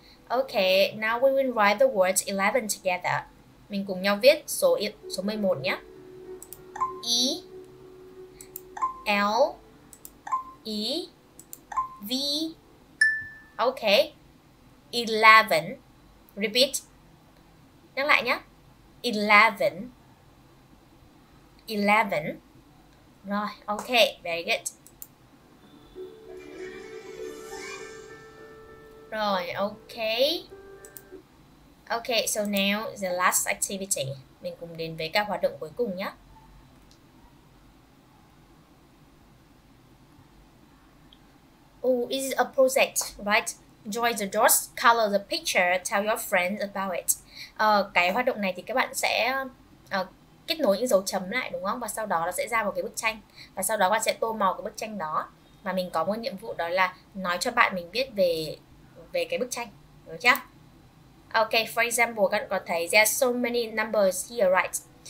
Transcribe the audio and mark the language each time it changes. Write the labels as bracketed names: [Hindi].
[English] Okay, now we will write the words 11 together. [Vietnamese] Mình cùng nhau viết số 11 nhé. [English] E L E V. Okay. 11. Repeat. [Vietnamese] Nhắc lại nhé. [English] 11. 11. [Vietnamese] Rồi, [English] okay, very good. [Vietnamese] Rồi, [English] okay. Okay, so now the last activity. [Vietnamese] Mình cùng đến với các hoạt động cuối cùng nhé. [English] Oh, it is a project, right? Join the dots, color the picture, tell your friends about it. [Vietnamese] Cái hoạt động này thì các bạn sẽ kết nối những dấu chấm lại, đúng không? Và sau đó nó sẽ ra một cái bức tranh. Và sau đó bạn sẽ tô màu cái bức tranh đó. Và mình có một nhiệm vụ đó là nói cho bạn mình biết về cái bức tranh, đúng chưa? [English] Okay, for example, [Vietnamese] các bạn có thấy [English] there are so many numbers here, right?